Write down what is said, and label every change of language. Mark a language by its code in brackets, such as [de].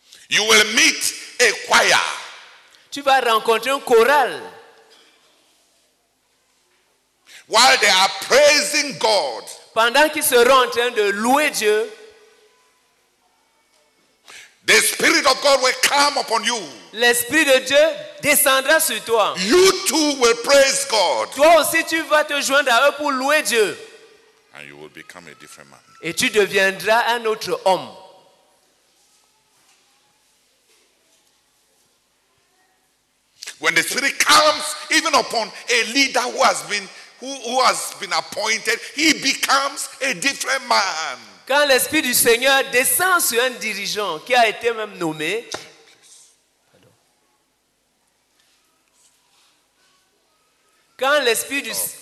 [en] You will meet a choir. [fr] Tu vas rencontrer un choral. [en] While they are praising God. [fr] Pendant qu'ils seront en train de louer Dieu. [en] The Spirit of God will come upon you. [fr] L'Esprit de Dieu descendra sur toi. [en] You too will praise God. [fr] Toi aussi tu vas te joindre à eux pour louer Dieu. [en] And you will become a different man. [fr] Et tu deviendras un autre homme. [en] When the Spirit comes even upon a leader who has been appointed, he becomes a different man. [fr] Quand l'Esprit du Seigneur descend sur un dirigeant qui a été même nommé, quand l'Esprit du